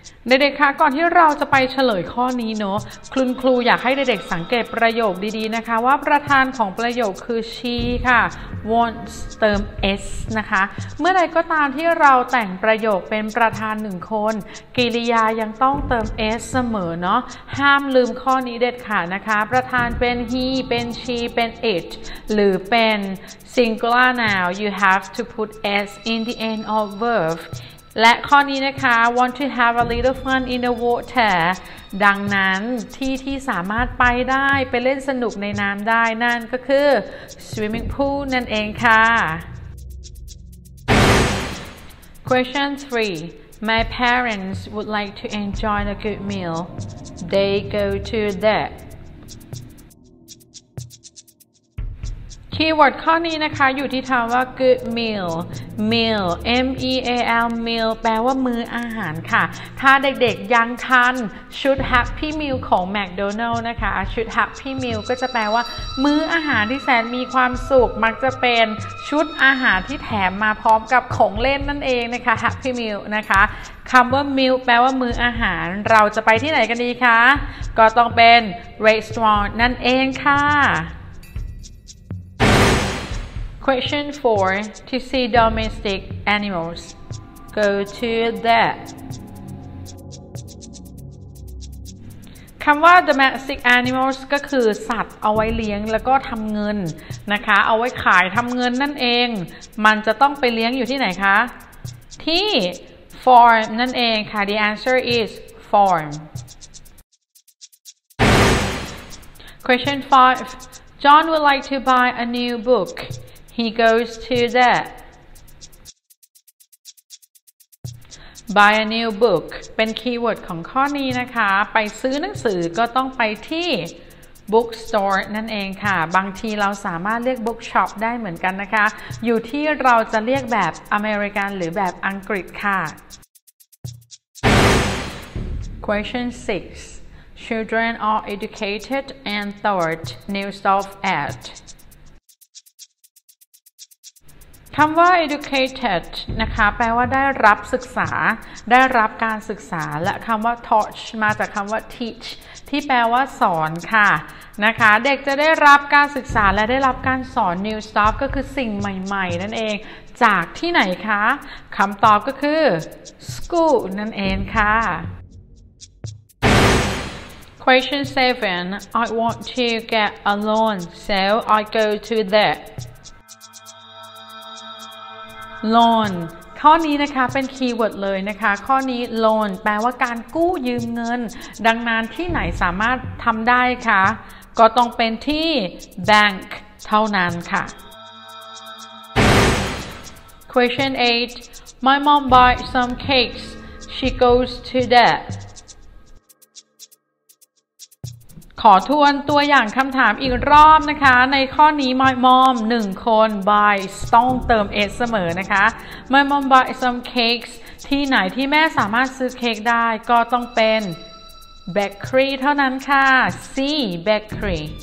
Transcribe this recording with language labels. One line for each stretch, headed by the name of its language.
Thai: เด็กๆคะก่อนที่เราจะไปเฉลยข้อนี้เนาะคุณครูอยากให้เด็กๆสังเกตประโยคดีๆนะคะว่าประธานของประโยคคือ she ค่ะ wants เติม s นะคะเมื่อใดก็ตามที่เราแต่งประโยคเป็นประธานหนึ่งคนกิริยายังต้องเติม s เสมอเนาะห้ามลืมข้อนี้เด็ดขาดนะคะประธานเป็น he เป็น she เป็น it หรือเป็น singular noun
English: you have to put s in the end of verb
Thai: และข้อนี้นะคะ
English: want to have a little fun in the water
Thai: ดังนั้นที่ที่สามารถไปได้ไปเล่นสนุกในน้ำได้นั่นก็คือ swimming pool นั่นเองค่ะ
English: Question 3 My parents would like to enjoy a good meal They go to the
Thai: Keyword ข้อนี้นะคะอยู่ที่คำว่า good meal meal M-E-A-L meal แปลว่ามื้ออาหารค่ะถ้าเด็กๆยังทันชุด Happy Meal ของ McDonald's นะคะชุด Happy Meal ก็จะแปลว่ามื้ออาหารที่แสนมีความสุขมักจะเป็นชุดอาหารที่แถมมาพร้อมกับของเล่นนั่นเองนะคะ Happy Meal นะคะคำว่า meal แปลว่ามื้ออาหารเราจะไปที่ไหนกันดีคะก็ต้องเป็น restaurant นั่นเองค่ะ
English: Question 4 to see domestic animals go to that
Thai: คำว่า domestic animals ก็คือสัตว์เอาไว้เลี้ยงแล้วก็ทำเงินนะคะเอาไว้ขายทำเงินนั่นเองมันจะต้องไปเลี้ยงอยู่ที่ไหนคะที่ farm นั่นเองค่ะ
English: The answer is farm Question 5 John would like to buy a new bookHe goes to the buy a new book เ
Thai: ป็นคีย์เวิร์ดของข้อนี้นะคะไปซื้อหนังสือก็ต้องไปที่ bookstore นั่นเองค่ะบางทีเราสามารถเรียก bookshop ได้เหมือนกันนะคะอยู่ที่เราจะเรียกแบบอเมริกันหรือแบบอังกฤษค่ะ
English: Question 6 Children are educated and taught new stuff at...
Thai: คำว่า educated นะคะแปลว่าได้รับศึกษาได้รับการศึกษาและคำว่า taught มาจากคำว่า teach ที่แปลว่าสอนค่ะนะคะเด็กจะได้รับการศึกษาและได้รับการสอน new stuff ก็คือสิ่งใหม่ๆนั่นเองจากที่ไหนคะคำตอบก็คือ school นั่นเองค่ะ
English: Question 7 I want to get a loan so I go to that
Thai: Loan ข้อนี้นะคะเป็นคีย์เวิร์ดเลยนะคะข้อนี้ Loan แปลว่าการกู้ยืมเงินดังนั้นที่ไหนสามารถทำได้คะก็ต้องเป็นที่ Bank เท่านั้นค่ะ
English: Question 8 My mom bought some cakes She goes to that
Thai: ขอทวนตัวอย่างคำถามอีกรอบนะคะในข้อนี้ my mom 1คน buy ต้องเติม s เสมอนะคะ
English: my mom buy some cakes
Thai: ที่ไหนที่แม่สามารถซื้อเค้กได้ก็ต้องเป็น bakery เท่านั้นค่ะ C bakery